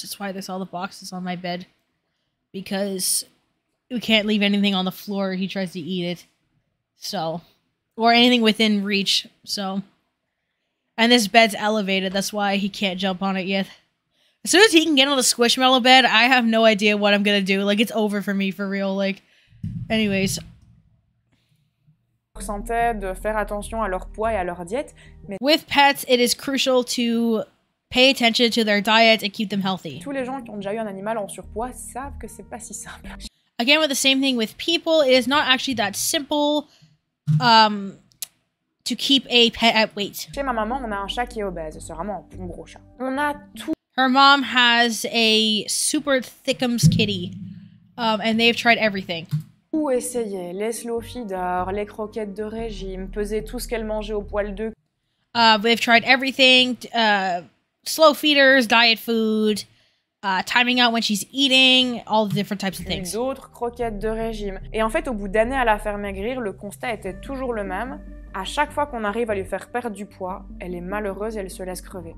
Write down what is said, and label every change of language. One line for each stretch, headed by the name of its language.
English: That's why there's all the boxes on my bed. Because we can't leave anything on the floor. He tries to eat it. So. Or anything within reach. So. And this bed's elevated. That's why he can't jump on it yet. As soon as he can get on the squishmallow bed, I have no idea what I'm gonna do. Like, it's over for me, for real. Like, anyways.
French: De faire attention à leur poids et à leur diète, mais
English: with pets, it is crucial to pay attention to their diet and keep them healthy.
French: Tous les gens qui ont déjà eu un animal en surpoids savent que c'est pas si simple.
English: Again, with the same thing with people, it is not actually that simple to keep a pet at weight.
French: Chez ma maman, on a un chat qui est obèse. C'est vraiment un gros chat. On a tout.
English: Her mom has a super thickums kitty, and they've tried everything.
French: Ou essayer, les slow feeders, les croquettes de régime, peser tout ce qu'elle mangeait au poil de.
English: They've tried everything, slow feeders, diet food, timing out when she's eating, all the different types of things.
French: D'autres croquettes de régime. Et en fait, au bout d'années à la faire maigrir, le constat était toujours le même. À chaque fois qu'on arrive à lui faire perdre du poids, elle est malheureuse et elle se laisse crever.